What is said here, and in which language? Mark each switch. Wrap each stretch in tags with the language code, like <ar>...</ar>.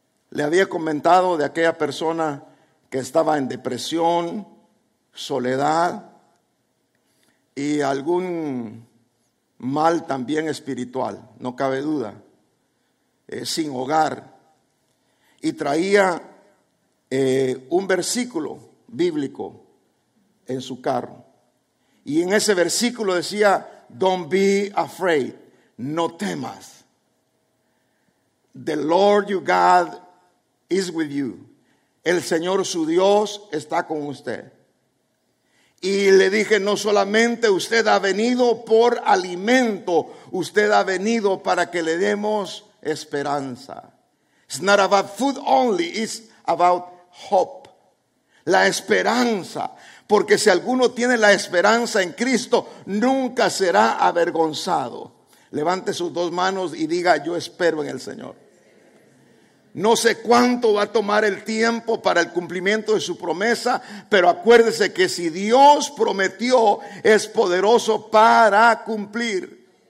<es>Le había comentado de aquella persona que estaba en depresión, soledad y algún mal también espiritual, no cabe duda, sin hogar. Y traía un versículo bíblico en su carro. Y en ese versículo decía,</es> <en>don't be afraid,</en> <es>no temas.</es> <en>The Lord your God is with you.</en> <es>El Señor su Dios está con usted. Y le dije, no solamente usted ha venido por alimento, usted ha venido para que le demos esperanza.</es> <en>It's not about food only, it's about hope.</en> <es>La esperanza. Porque si alguno tiene la esperanza en Cristo, nunca será avergonzado. Levante sus dos manos y diga, yo espero en el Señor. No sé cuánto va a tomar el tiempo para el cumplimiento de su promesa, pero acuérdese que si Dios prometió, es poderoso para cumplir.</es>